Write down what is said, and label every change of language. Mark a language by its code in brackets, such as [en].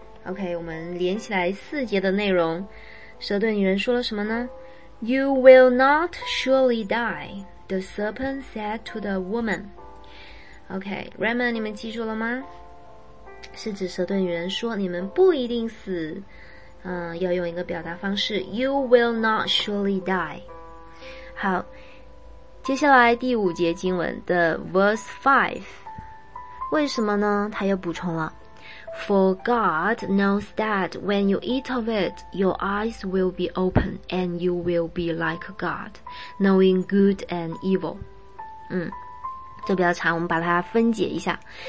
[zh] OK, 我们连起来四节的内容。蛇对女人说了什么呢？ [en] You will not surely die, the serpent said to the woman. [zh] OK, Raymond, 你们记住了吗？是指蛇对女人说你们不一定死，要用一个表达方式， [en] You will not surely die. [zh] 好，接下来第五节经文的 verse 5。为什么呢？他又补充了 [en] For God knows that when you eat of it, your eyes will be open and you will be like God, knowing good and evil. [zh] 这比较长，我们把它分解一下。